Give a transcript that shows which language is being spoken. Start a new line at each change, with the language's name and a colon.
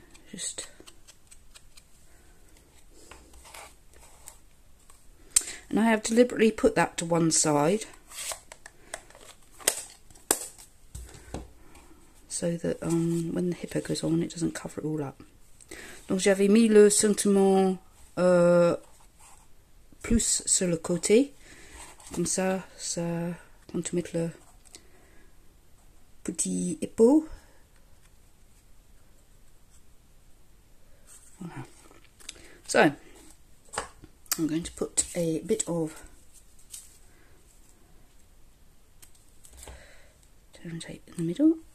English: Just and I have deliberately put that to one side so that when the hippo goes on, it doesn't cover it all up.
French: Donc j'avais mis le sentiment plus sur le côté, comme ça, ça quand tu mets le petit hippo. Voilà.
English: So, I'm going to put a bit of turn tape in the middle.